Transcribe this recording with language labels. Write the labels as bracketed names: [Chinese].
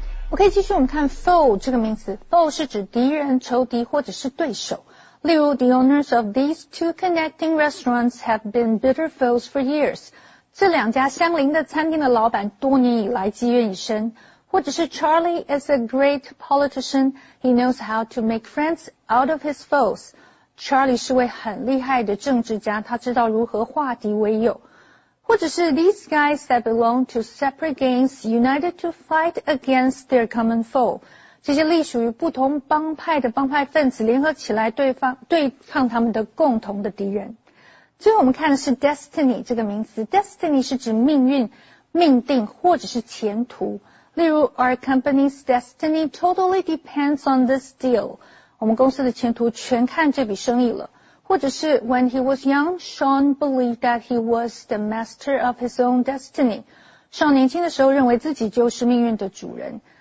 [Chinese] OK, 继续我们看 foe 这个名词。foe 是指敌人、仇敌或者是对手。例如 [English] ,the owners of these two connecting restaurants have been bitter foes for years. [Chinese] 这两家相邻的餐厅的老板多年以来积怨已深。或者是 [English] Charlie is a great politician. He knows how to make friends out of his foes. [Chinese] Charlie 是位很厉害的政治家，他知道如何化敌为友。或者是 [English] these guys that belong to separate gangs united to fight against their common foe. [Chinese] 这些隶属于不同帮派的帮派分子联合起来对抗他们的共同的敌人。最后我们看的是 destiny 这个名词。destiny 是指命运、命定或者是前途。例如 [English] our company's destiny totally depends on this deal. [Chinese] 我们公司的前途全看这笔生意了。或者是 [English] when he was young, Sean believed that he was the master of his own destiny. [Chinese] Sean 年轻的时候认为自己就是命运的主人。